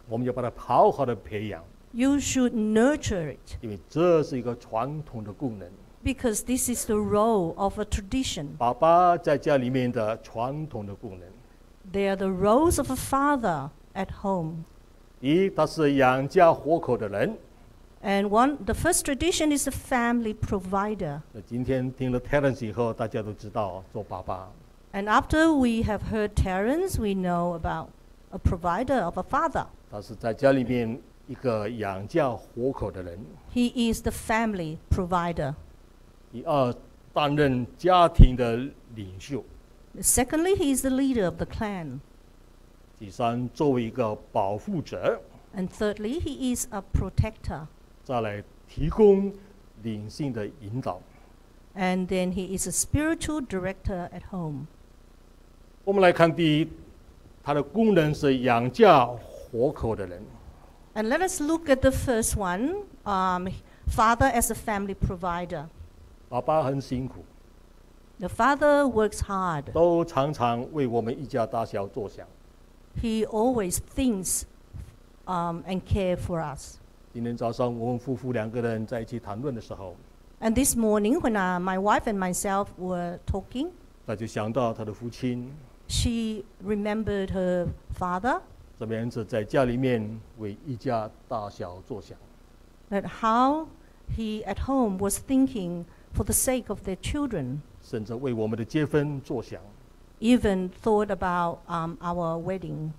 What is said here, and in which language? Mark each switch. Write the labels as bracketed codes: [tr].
[zh] 我们要把它好好的培养。 [en] You should nurture it. [zh] 因为这是一个传统的功能。 [en] Because this is the role of a tradition. [zh] 爸爸在家里面的传统的功能。 [en] They are the roles of a father at home. [zh] 一，他是养家活口的人。 [en] And one, the first tradition is a family provider. [zh] 今天听了 Terence 以后，大家都知道做爸爸。 [en] And after we have heard Terence, we know about a provider of a father. [zh] 他是在家里面一个养家活口的人。 [en] He is the family provider. [zh] 第二，担任家庭的领袖。 [en] Secondly, he is the leader of the clan. [zh] 第三，作为一个保护者。 [en] And thirdly, he is a protector. [zh] 再来，提供灵性的引导。 [en] And then he is a spiritual director at home. [zh] 我们来看第一，他的功能是养家活口的人。 [en] And let us look at the first one, father as a family provider. [zh] 爸爸很辛苦。 [en] The father works hard. [zh] 都常常为我们一家大小着想。 [en] He always thinks, and care for us. [zh] 今天早上我们夫妇两个人在一起谈论的时候。 [en] And this morning when my wife and myself were talking. [zh] 她就想到她的父亲。 [en] She remembered her father. [zh] 怎么样子在家里面为一家大小着想。 [en] But how he at home was thinking. For the sake of their children, [zh] 甚至为我们的结婚着想 [en] even thought about our wedding.